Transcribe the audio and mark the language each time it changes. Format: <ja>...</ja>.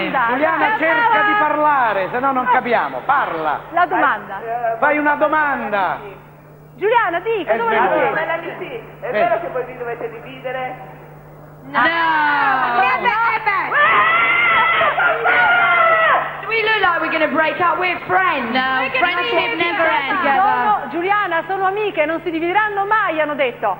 <it>Giuliana, cerca di parlare, se no non capiamo. Parla. La domanda. Fai una domanda. Giuliana, dica, dove la vuoi? È vero che voi vi dovete dividere? No.</it> <en>We look like we're gonna break up. We're friends. Friendship never ends.</en> <it>Giuliana, sono amiche, non si divideranno mai, hanno detto.</it>